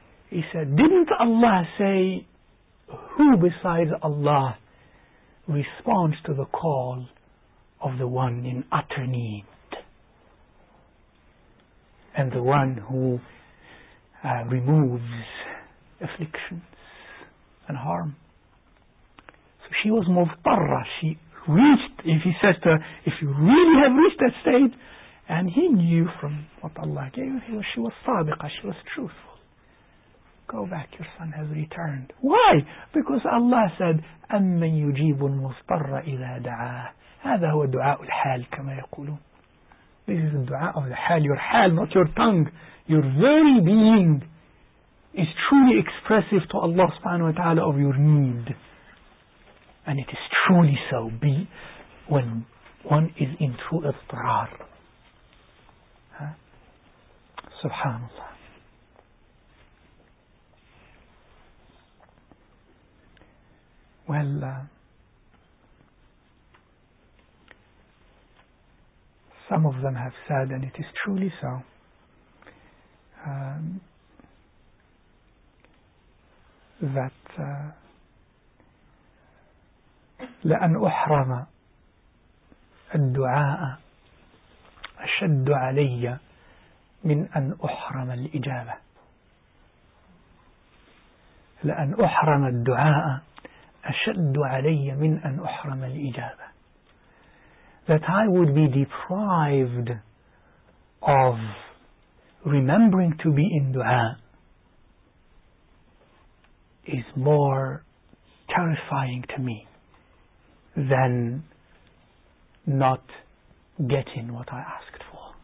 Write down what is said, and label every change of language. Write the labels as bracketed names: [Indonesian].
[English] He said, didn't Allah say, who besides Allah responds to the call of the one in utter need, and the one who removes afflictions and harm? So she was muftarra, she reached, if he says to her, if you really have reached that state, and he knew from what Allah gave him, she was sadiqa, she was truthful. Go back, your son has returned. Why? Because Allah said, [Arabic] "أَمَّنْ يُجِيبُ الْمُضْطَرَّ إِذَا دَعَى." هَذَا هُوَ دُعَاءُ الْحَالِ كَمَا يَقُولُونَ. [English] This is the dua of the hal. Your hal, not your tongue. Your very being is truly expressive to Allah subhanahu wa ta'ala of your need. And it is truly so when one is in true اضطرار. Subhanallah. Well, some of them have said, and it is truly so, that [Arabic] لأن أحرم الدعاء أشد علي من أن أحرم الإجابة. لأن أحرم الدعاء أشد علي من أن أحرم الإجابة. [English] That I would be deprived of remembering to be in dua is more terrifying to me than not getting what I asked for.